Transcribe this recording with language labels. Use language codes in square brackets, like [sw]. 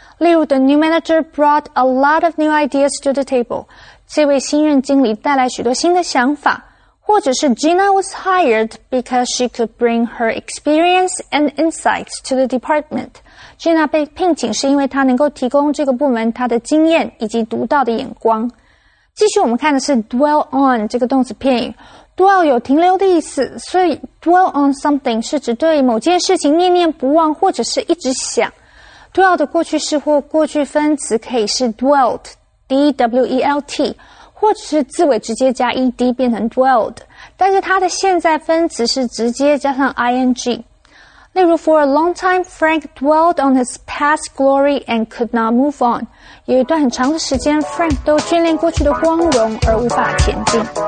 [zh] 例如 [en] the new manager brought a lot of new ideas to the table. [zh] 这位新任经理带来许多新的想法。或者是 [en] Gina was hired because she could bring her experience and insights to the department. [zh] Gina 被聘请是因为她能够提供这个部门她的经验以及独到的眼光。继续我们看的是 dwell on 这个动词片语。Dwell 有停留的意思，所以 dwell on something 是指对某件事情念念不忘或者是一直想。 Dwell 的过去式或过去分词可以是 dwelt, D-W-E-L-T, 或者是字尾直接加 ed 变成 dwelled, 但是它的现在分词是直接加上 ing。例如 [en] ,for a long time, Frank dwelled on his past glory and could not move on. [zh] 有一段很长的时间 ,Frank 都眷恋过去的光荣而无法前进。